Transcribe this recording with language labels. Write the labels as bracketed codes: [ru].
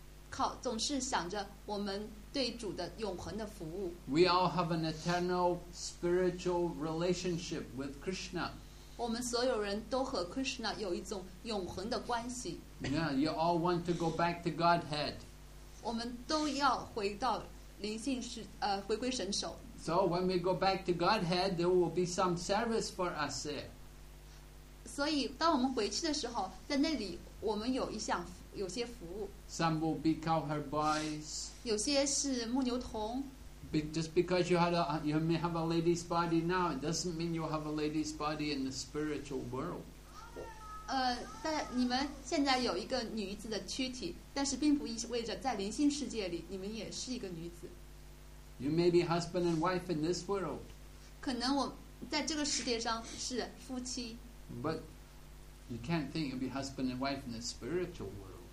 [zh] 靠总是想着我们对主的永恒的服务。 [en] We all have an eternal spiritual relationship with Krishna. [zh] 我们所有人都和 Krishna 有一种永恒的关系。 [en] Yeah, you all want to go back to Godhead. [zh] 我们都要回到灵性是回归神首。 [en] So when we go back to Godhead, there will be some service for us there. [zh] 所以当我们回去的时候，在那里我们有一项有些服务。 [en] Some will be cowherd boys. [zh] 有些是牧牛童。 [en] Just because you may have a lady's body now, it doesn't mean you have a lady's body in the spiritual world. [zh] 但你们现在有一个女子的躯体，但是并不意味着在灵性世界里你们也是一个女子。 [en] You may be husband and wife in this world. [zh] 可能我在这个世界上是夫妻。 [en] But you can't think you'll be husband and wife in the spiritual world.